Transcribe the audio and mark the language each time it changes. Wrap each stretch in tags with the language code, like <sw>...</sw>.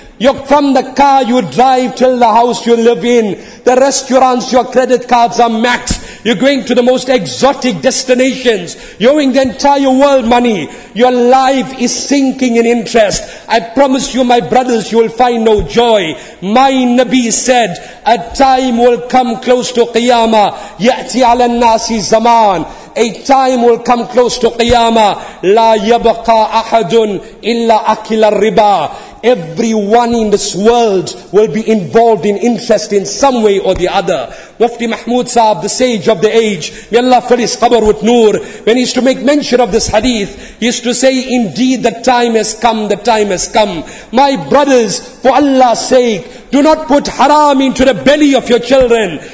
<en>You're from the car you drive till the house you live in, the restaurants, your credit cards are maxed, you're going to the most exotic destinations, you're owing the entire world money, your life is sinking in interest. I promise you, my brothers, you will find no joy. My Nabi said, a time will come close to Qiyamah,</en> <ar>يَأْتِي عَلَى النَّاسِ زَمَانِ,</ar> <en>a time will come close to Qiyamah.</en> <ar>لا يبقى أحد إلا أكل الربا.</ar> <en>Everyone in this world will be involved in interest in some way or the other. Mufti Mahmood Sahab, the sage of the age, may Allah fill his qabr with noor, when he used to make mention of this hadith, he used to say, indeed the time has come, the time has come. My brothers, for Allah's sake, do not put haram into the belly of your children.</en>